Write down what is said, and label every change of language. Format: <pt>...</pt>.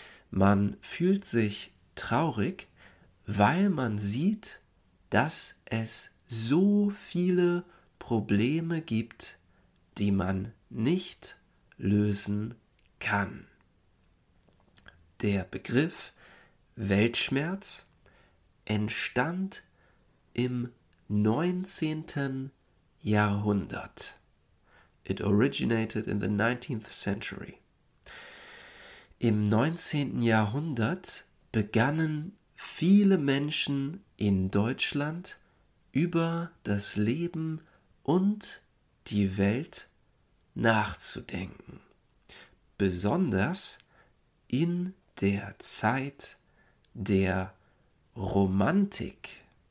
<de>Man fühlt sich traurig, weil man sieht, dass es so viele Probleme gibt, die man nicht lösen kann. Der Begriff Weltschmerz entstand im 19. Jahrhundert.</de> <en>It originated in the 19th century.</en> <de>Im 19. Jahrhundert begannen viele Menschen in Deutschland über das Leben und die Welt nachzudenken. Besonders in der Zeit der Romantik.</de>